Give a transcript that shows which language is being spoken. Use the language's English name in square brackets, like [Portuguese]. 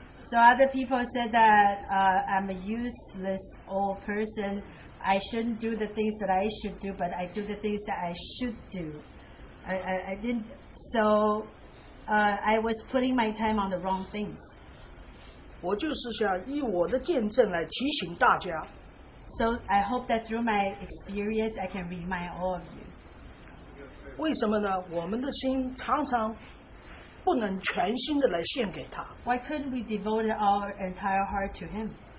[English] So other people said that I'm a useless old person. I shouldn't do the things that I should do, but I do the things that I should do. I was putting my time on the wrong things. [Chinese] 我就是想以我的见证来提醒大家。 [English] So I hope that through my experience, I can remind all of you. [Chinese] 为什么呢? 我们的心常常 不能全心的来献给他。 [English] Why couldn't we devote our entire heart to him?